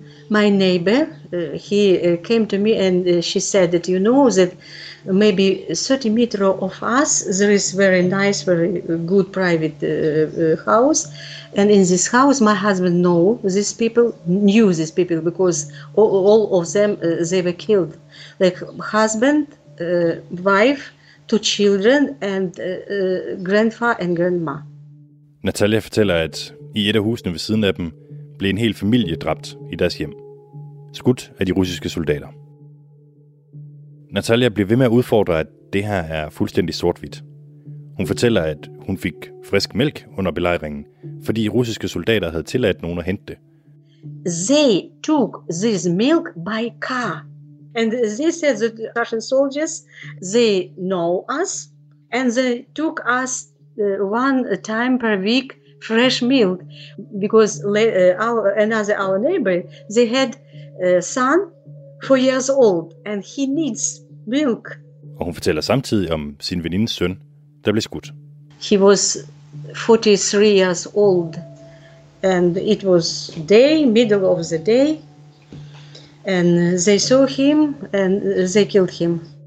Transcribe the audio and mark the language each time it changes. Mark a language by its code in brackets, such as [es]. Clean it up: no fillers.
[en] My neighbor, he came to me and she said that, you know, that maybe 30 meters of us, there is very nice, very good private house. And in this house, my husband knew these people, because all of them, they were killed. Like husband, wife, two children, and grandpa and grandma. [da] Natalia fortæller, at i et af husene ved siden af dem, blev en hel familie dræbt i deres hjem. Skudt af de russiske soldater. Natalia bliver ved med at udfordre, at det her er fuldstændig sort-hvidt. Hun fortæller, at hun fik frisk mælk under belejringen, fordi russiske soldater havde tilladt nogen at hente det. [en] They took this milk by car. And they said that the Russian soldiers, they know us, and they took us one time per week fresh milk, because our neighbor, they had son 4 years old, and he needs milk. [da] Og hun fortæller samtidig om sin venindes søn, der blev skudt. [en] He was 43 years old, and it was day, middle of the day, and they saw him, and they killed him.